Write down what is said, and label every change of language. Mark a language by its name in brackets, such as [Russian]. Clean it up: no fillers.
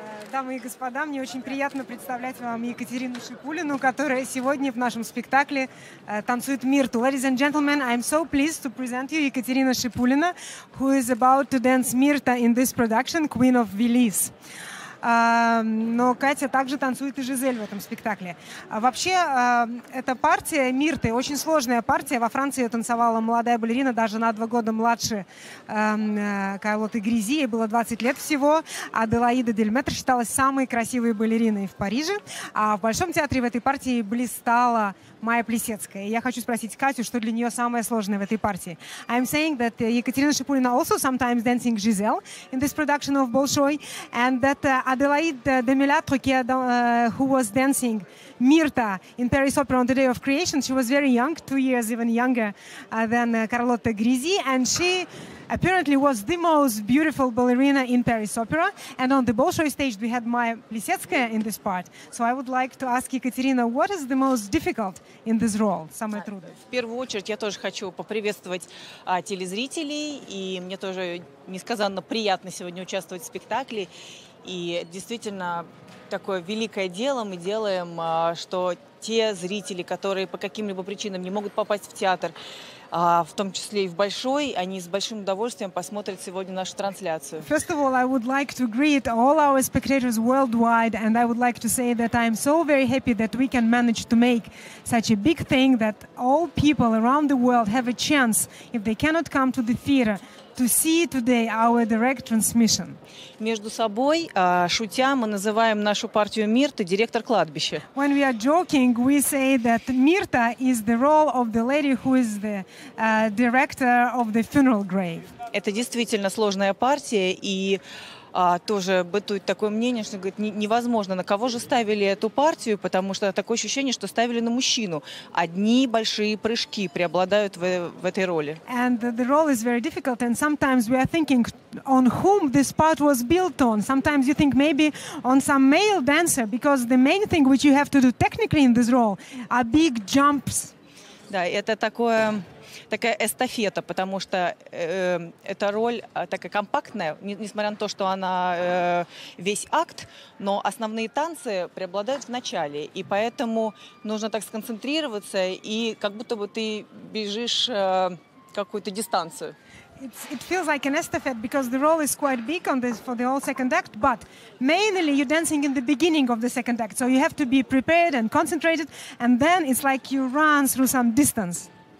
[Russian] дамы и господа, мне очень приятно представлять вам Екатерину Шипулину, которая сегодня в нашем спектакле танцует Миртл. [English] Ladies and gentlemen, I'm so pleased to present you Екатерина Шипулина, who is about to dance Mirta in this production, Queen of Venice. [Russian] Но Катя также танцует и Жизель в этом спектакле. Вообще, эта партия Мирты, очень сложная партия. Во Франции ее танцевала молодая балерина, даже на 2 года младше Карлоты Гризи. Ей было 20 лет всего. Аделаида Дельметр считалась самой красивой балериной в Париже. А в Большом театре в этой партии блистала Майя Плисецкая. Я хочу спросить Катю, что для нее самое сложное в этой партии. [English] I'm saying that Екатерина Шипулина also sometimes dancing Giselle in this production of Bolshoi, and that Adelaide Demilatro, who was dancing Mirta in Paris Opera on the Day of Creation, she was very young, 2 years even younger than Carlotta Grisi, and she apparently was the most beautiful ballerina in Paris Opera. And on the Bolshoi stage, we had Maya Plisetskaya in this part. So I would like to ask Екатерина, what is the most difficult in this role? [Russian] Самое трудное. В первую очередь, я тоже хочу поприветствовать телезрителей, и мне тоже несказанно приятно сегодня участвовать в спектакле. И действительно, такое великое дело мы делаем, что те зрители, которые по каким-либо причинам не могут попасть в театр, в том числе и в Большой, они с большим удовольствием посмотрят сегодня нашу трансляцию. [English] First of all, I would like to greet all our spectators worldwide, and I would like to say that I'm so very happy that we can manage to make such a big thing, that all people around the world have a chance, if they cannot come to the theater, to see today our direct transmission. [Russian] Между собой, шутя, мы называем нашу партию Мирта директор кладбища. [English] When we are joking, we say that Mirta is the role of the lady who is the director of the funeral grave. [Russian] Это действительно сложная партия, и тоже бытует такое мнение, что говорит, невозможно, на кого же ставили эту партию, потому что такое ощущение, что ставили на мужчину. Одни большие прыжки преобладают в этой роли. [English] And the role is very difficult, and sometimes we are thinking on whom this part was built on. Sometimes you think maybe on some male dancer, because the main thing which you have to do technically in this role are big jumps. [Russian] Да, это такая эстафета, потому что эта роль такая компактная, несмотря на то, что она весь акт, но основные танцы преобладают в начале, и поэтому нужно так сконцентрироваться, и как будто бы ты бежишь какую-то дистанцию. [English] It feels like an estafette because the role is quite big on this for the whole second act, but mainly you're dancing in the beginning of the second act, so you have to be prepared and concentrated, and then it's like you run through some distance.